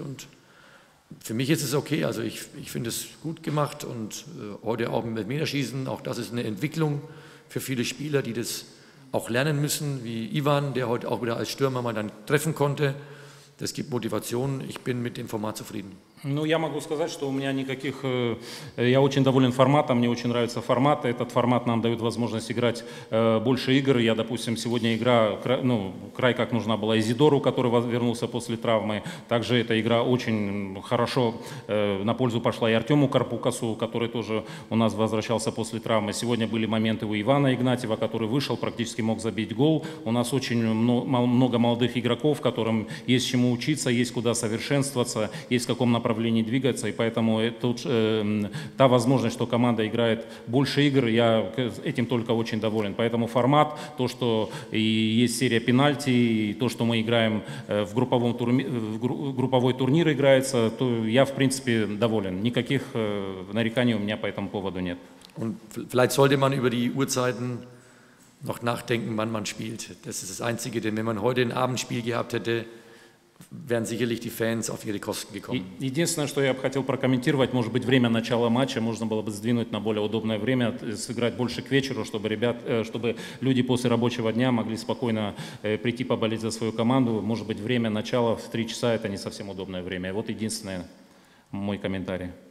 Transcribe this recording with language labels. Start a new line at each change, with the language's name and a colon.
German: Und für mich ist es okay, also ich finde es gut gemacht und heute auch mit Meterschießen, auch das ist eine Entwicklung für viele Spieler, die das auch lernen müssen, wie Ivan, der heute auch wieder als Stürmer mal dann treffen konnte. Das gibt Motivation, ich bin mit dem Format zufrieden.
Russian: Ну, я могу сказать, что у меня никаких... Я очень доволен форматом, мне очень нравится формат. Этот формат нам дает возможность играть больше игр. Я, допустим, сегодня игра, ну, край как нужна была Изидору, который вернулся после травмы. Также эта игра очень хорошо на пользу пошла и Артему Карпукасу, который тоже у нас возвращался после травмы. Сегодня были моменты у Ивана Игнатьева, который вышел, практически мог забить гол. У нас очень много молодых игроков, которым есть чему учиться, есть куда совершенствоваться, есть в каком направлении направлении двигаться, и поэтому тут та возможность, что команда играет больше игр, я этим только очень доволен. Поэтому формат, то, что и есть серия пенальти, и то, что мы играем в групповой турнир играется, то я, в принципе, доволен. Никаких нареканий у меня по этому поводу нет.
German: Und vielleicht sollte man über die Uhrzeiten noch nachdenken, wann man spielt. Das ist das Einzige, denn wenn man heute ein Abendspiel gehabt hätte, wären sicherlich die Fans auf ihre Kosten gekommen.
Russian: Единственное, что я бы хотел прокомментировать, может быть, время начала матча можно было бы сдвинуть на более удобное время, сыграть больше к вечеру, чтобы люди после рабочего дня могли спокойно прийти поболеть за свою команду. Может быть, время начала в 3 часа – это не совсем удобное время. Вот единственное мой комментарий.